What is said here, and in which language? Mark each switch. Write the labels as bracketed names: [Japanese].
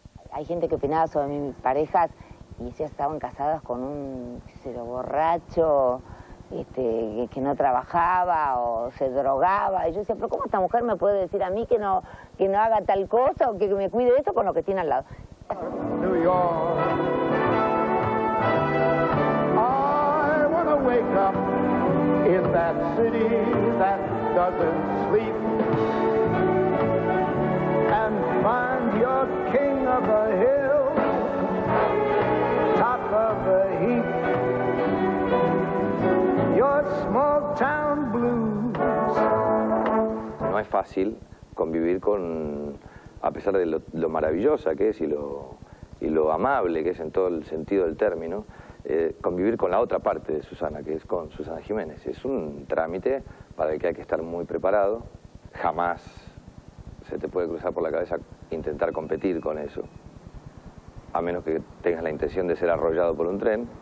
[Spanish] Hay gente que opinaba sobre mis parejas y ya estaban casadas con un, qué sé yo, borracho, que no trabajaba o se drogaba. Y yo decía, pero ¿cómo esta mujer me puede decir a mí que no haga tal cosa o que me cuide eso con lo que tiene al lado? [English] New York. I wanna wake up in that city that doesn't sleep and find your king of the hill, top of the heap. Your small town blues. [Spanish] No es fácil convivir con, a pesar de lo maravillosa que es y lo amable que es en todo el sentido del término, convivir con la otra parte de Susana, que es con Susana Jiménez. Es un trámite para el que hay que estar muy preparado. Jamás se te puede cruzar por la cabeza intentar competir con eso, a menos que tengas la intención de ser arrollado por un tren.